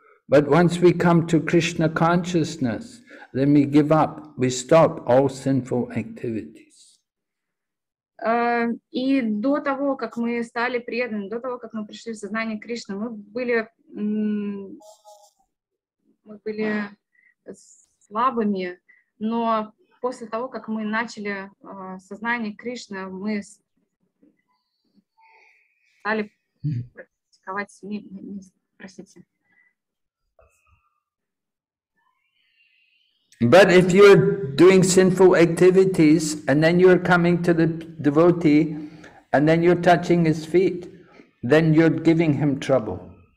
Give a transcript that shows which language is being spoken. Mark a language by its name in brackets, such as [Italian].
[English] But once we come to Krishna consciousness, then we give up, we stop all sinful activities. [Russian] И до того, как мы стали преданными, до того, как мы пришли в сознание Кришны, мы были слабыми, но после того, как мы начали сознание Кришны, мы стали практиковать сами, простите. [English] But if you're doing sinful activities and then you're coming to the devotee and then you're touching his feet, then you're giving him trouble.